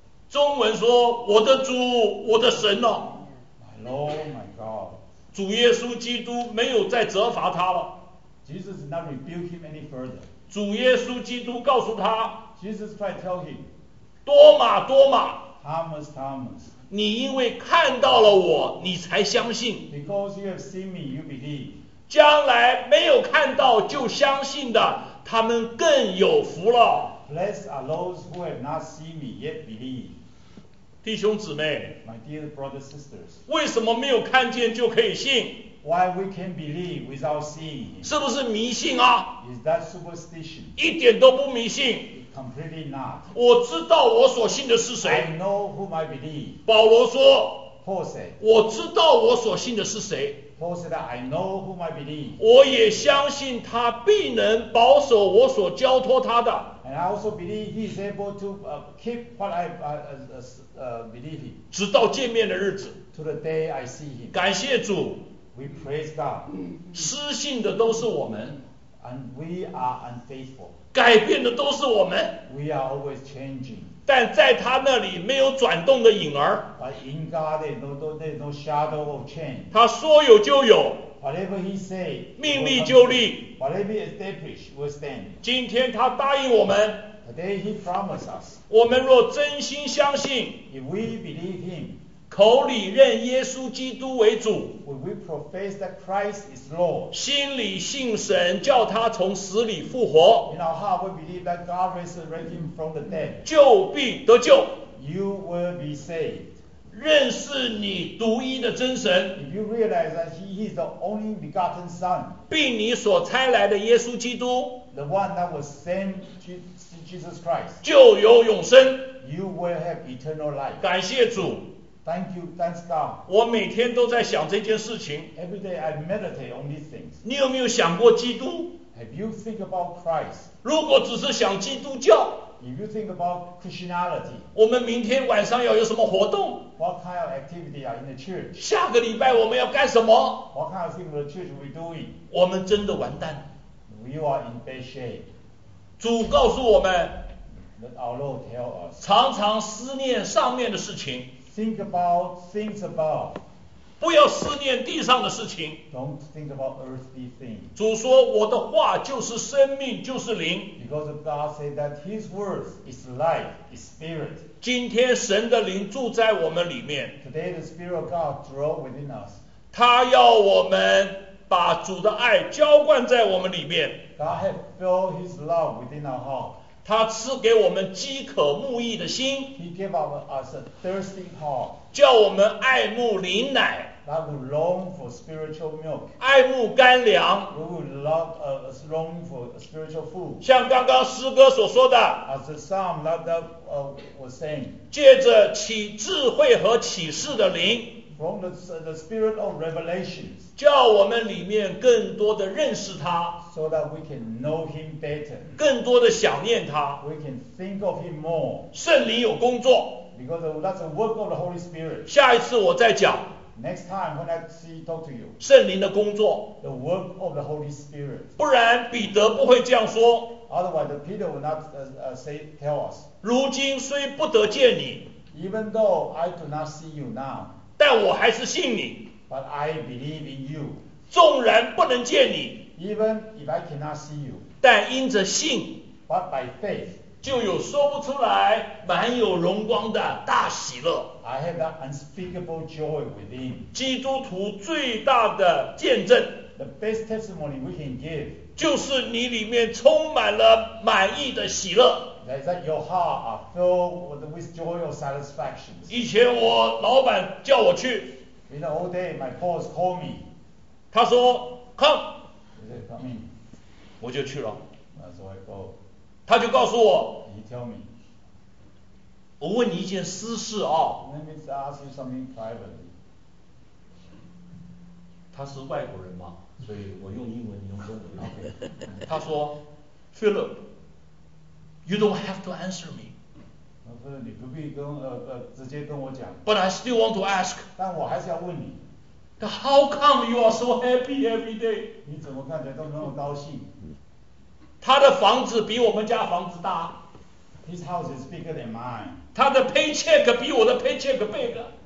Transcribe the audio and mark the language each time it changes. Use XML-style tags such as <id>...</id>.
<zh>中文说我的主我的神哦、啊、</zh> <en>My Lord, my God.</en> <zh>主耶稣基督没有再责罚他了。</zh> <en>Jesus did not rebuke him any further.</en> <zh>主耶稣基督告诉他，</zh> <en>Jesus tried to tell him,</en> <zh>多马多马，</zh> <en>Thomas, Thomas,</en> <zh>你因为看到了我你才相信，</zh> <en>Because you have seen me, you believe.</en> <zh>将来没有看到就相信的他们更有福了。</zh> <en>Blessed are those who have not seen me yet believe.</en> <zh>弟兄姊妹，</zh> <en>My dear brothers and sisters,</en> <zh>为什么没有看见就可以信？</zh> <en>Why we can believe without seeing him?</en> <zh>是不是迷信啊？</zh> <en>Is that superstition?</en> <zh>一点都不迷信。</zh> <en>Completely not.</en> <zh>我知道我所信的是谁。</zh> <en>I know whom I believe.</en> <zh>保罗说，</zh> <en>Paul said,</en> <zh>我知道我所信的是谁。</zh> <en>Paul said, I know whom I believe.</en> <zh>我也相信他必能保守我所交托他的。</zh> <en>And I also believe he is able to keep what I believe him.</en> <zh>直到见面的日子。</zh> <en>To the day I see him.</en> <zh>感谢主。</zh> <en>We praise God.</en> <zh>失信的都是我们。</zh> <en>And we are unfaithful.</en> <zh>改变的都是我们。</zh> <en>We are always changing.</en> <zh>但在他那里没有转动的影儿。</zh> <en>But in God there's no shadow of change.</en> <zh>他说有就有。</zh> <en>Whatever he say,</en> <zh>命立就立。</zh> <en>Whatever he establish, will stand.</en> <zh>今天他答应我们。</zh> <en>Today he promise us.</en> <zh>我们若真心相信。</zh> <en>If we believe him.</en> <zh>口里认耶稣基督为主。</zh> <en>If we profess that Christ is Lord.</en> <zh>心里信神叫他从死里复活。</zh> <en>In our heart we believe that God resurrected him from the dead.</en> <zh>就必得救。</zh> <en>You will be saved.</en> <zh>认识你独一的真神，</zh> <en>If you realize that he is the only begotten son,</en> <zh>并你所差来的耶稣基督，</zh> <en>the one that was sent Jesus Christ,</en> <zh>就有永生，</zh> <en>you will have eternal life.</en> <zh>感谢主。</zh> <en>Thank you, thanks God.</en> <zh>我每天都在想这件事情。</zh> <en>Every day I meditate on these things.</en> <zh>你有没有想过基督？</zh> <en>Have you think about Christ?</en> <zh>如果只是想基督教，</zh> <en>If you think about Christianity,</en> <zh>我们明天晚上要有什么活动？</zh> <en>What kind of activity are in the church?</en> <zh>下个礼拜我们要干什么？</zh> <en>What kind of thing the church are we doing?</en> <zh>我们真的完蛋。</zh> <en>We are in bad shape.</en> <zh>主告诉我们，</zh> <en>Let our Lord tell us.</en> <zh>常常思念上面的事情。</zh> <en>Think about things above.</en> <zh>不要思念地上的事情。</zh> <en>Don't think about earthly things.</en> <zh>主说我的话就是生命就是灵。</zh> <en>Because God said that his word is life, is spirit.</en> <zh>今天神的灵住在我们里面。</zh> <en>Today the spirit of God dwells within us.</en> <zh>他要我们把主的爱浇灌在我们里面。</zh> <en>God has filled his love within our heart.</en> <zh>他赐给我们饥渴慕义的心。</zh> <en>He gave us a thirsty heart.</en> <zh>叫我们爱慕灵奶，</zh> <en>that we long for spiritual milk.</en> <zh>爱慕干粮，</zh> <en>we will love, long for spiritual food.</en> <zh>像刚刚诗歌所说的，</zh> <en>as the psalm that was saying,</en> <zh>借着启智慧和启示的灵，</zh> <en>from the spirit of revelations,</en> <zh>叫我们里面更多的认识他，</zh> <en>so that we can know him better,</en> <zh>更多的想念他，</zh> <en>we can think of him more.</en> <zh>圣灵有工作。</zh> <en>Because that's the work of the Holy Spirit.</en> <zh>下一次我再讲。</zh> <en>Next time when I see talk to you.</en> <zh>圣灵的工作。</zh> <en>The work of the Holy Spirit.</en> <zh>不然彼得不会这样说。</zh> <en>Otherwise, Peter will not tell us.</en> <zh>如今虽不得见你。</zh> <en>Even though I do not see you now.</en> <zh>但我还是信你。</zh> <en>But I believe in you.</en> <zh>纵然不能见你。</zh> <en>Even if I cannot see you.</en> <zh>但因着信。</zh> <en>But by faith.</en> <zh>就有说不出来满有荣光的大喜乐。</zh> <en>I have that unspeakable joy within.</en> <zh>基督徒最大的见证，</zh> <en>The best testimony we can give,</en> <zh>就是你里面充满了满意的喜乐。</zh> <en>That your heart are filled with joy or satisfaction.</en> <zh>以前我老板叫我去，</zh> <en>In the old day my boss called me.</en> <zh>他说</zh> <en>come. He said come in.</en> <zh>我就去了。</zh> <en>That's why I go.</en> <zh>他就告诉我，</zh> <en>He tell me,</en> <zh>我问你一件私事啊。</zh> <en>Let me ask you something privately.</en> <zh>他是外国人嘛，所以我用英文，你用中文，浪费。他说</zh> <en>，Philip， you don't have to answer me。</en> <zh>他说你不必跟直接跟我讲。</zh> <en>But I still want to ask。</en> <zh>但我还是要问你。</zh> <en>How come you are so happy every day？</en> <zh>你怎么看起来都那么高兴？他的房子比我们家房子大。</zh> <en>His house is bigger than mine。</en> <zh>他的 paycheck 比我的 paycheck</zh> <en>bigger。</en>